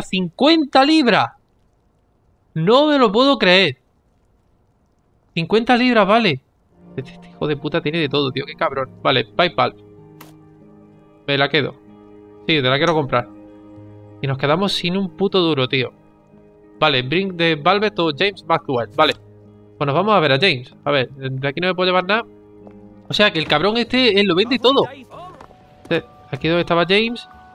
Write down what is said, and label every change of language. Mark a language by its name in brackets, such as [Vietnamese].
[Spanish] ¡50 libras! No me lo puedo creer. 50 libras, vale. Este hijo de puta tiene de todo, tío. ¡Qué cabrón! Vale, PayPal. Me la quedo. Sí, te la quiero comprar. Y nos quedamos sin un puto duro, tío. [English] Vale, bring the valve to James Maxwell. [Spanish] Vale. Bueno, vamos a ver a James. A ver, de aquí no me puedo llevar nada. O sea, que el cabrón este, él lo vende todo. Aquí donde estaba James.